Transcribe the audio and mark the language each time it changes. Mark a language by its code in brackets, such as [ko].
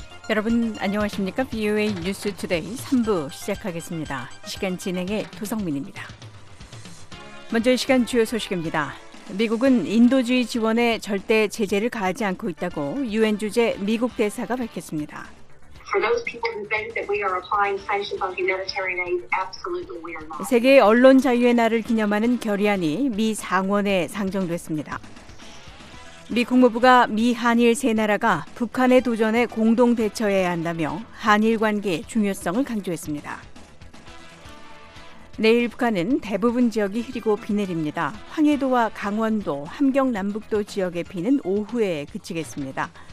[ko] 여러분 안녕하십니까? BOA 뉴스 투데이 3부 시작하겠습니다. 시간 진행의 도성민입니다. 먼저 이 시간 주요 소식입니다. 미국은 인도주의 지원에 절대 제재를 가하지 않고 있다고 유엔 주재 미국 대사가 밝혔습니다. [en] For those people who think that we are applying sanctions on humanitarian aid, absolutely we are not. [ko] 세계 언론 자유의 날을 기념하는 결의안이 미 상원에 상정됐습니다. 미 국무부가 미 한일 세 나라가 북한의 도전에 공동 대처해야 한다며 한일 관계의 중요성을 강조했습니다. 내일 북한은 대부분 지역이 흐리고 비 내립니다. 황해도와 강원도, 함경 남북도 지역의 비는 오후에 그치겠습니다.